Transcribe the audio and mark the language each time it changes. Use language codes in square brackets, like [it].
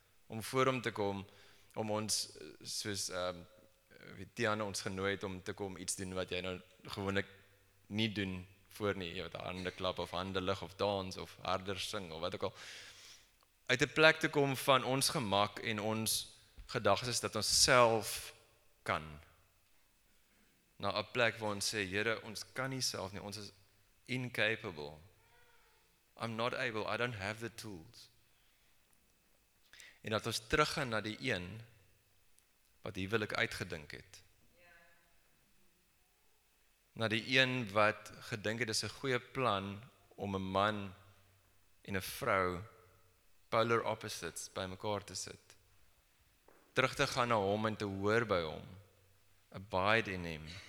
[af] Om voor hom te kom, om ons, soos wie Tiana ons genooi het, om te kom iets doen wat jy nou gewoonlik nie doen voor nie, jy wat hande klap of hande lig of dans of harder sing of wat ook al. Uit die plek te kom van ons gemak en ons gedagtes dat ons self kan. Na 'n plek waar ons sê, Here, ons kan nie self nie, ons is incapable. [en] I'm not able, I don't have the tools. [af] En dat ons teruggaan na die een wat huwelik uitgedink het. Na die een wat gedink het is 'n goeie plan om 'n man en 'n vrou [en] polar opposites [af] by mekaar te sit. Terug te gaan na hom en te hoor by hom. [en] Abide in him.